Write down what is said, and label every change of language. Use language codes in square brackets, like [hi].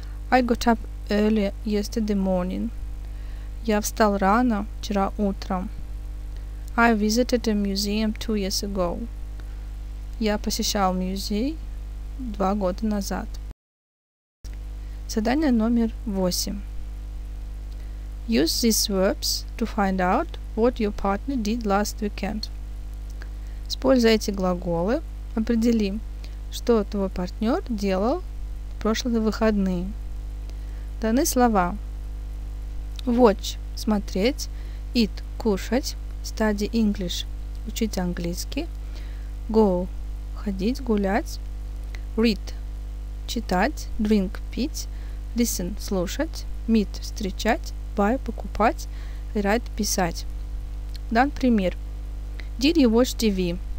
[en] I got up early yesterday morning. [ru] Я встал рано вчера утром. [en] I visited a museum 2 years ago. [ru] Я посещал музей 2 года назад. Задание номер 8. [en] Use these verbs to find out what your partner did last weekend. [ru] Используя эти глаголы, определи, что твой партнер делал в прошлые выходные. Даны слова. Watch – смотреть, eat – кушать, study English – учить английский, go – ходить, гулять, read – читать, drink – пить, listen – слушать, meet – встречать, buy – покупать, write – писать. Дан пример. [en] Did you watch TV?